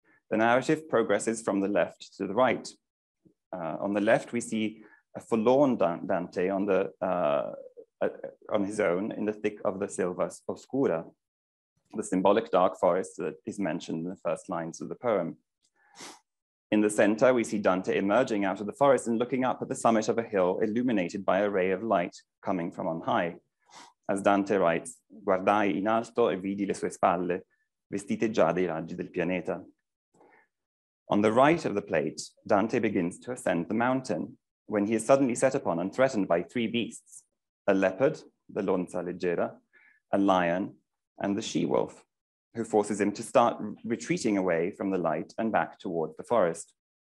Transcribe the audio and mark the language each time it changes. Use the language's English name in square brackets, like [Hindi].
[English] The narrative progresses from the left to the right. On the left, we see a forlorn Dante on his own in the thick of the Silva Oscura, the symbolic dark forest that is mentioned in the first lines of the poem. In the center, we see Dante emerging out of the forest and looking up at the summit of a hill illuminated by a ray of light coming from on high. As Dante writes, [Italian] guardai in alto e vidi le sue spalle, vestite già dei raggi del pianeta. [English] On the right of the plate, Dante begins to ascend the mountain. when he is suddenly set upon and threatened by three beasts, a leopard, the lonza leggera, a lion, and the she-wolf, who forces him to start retreating away from the light and back towards the forest.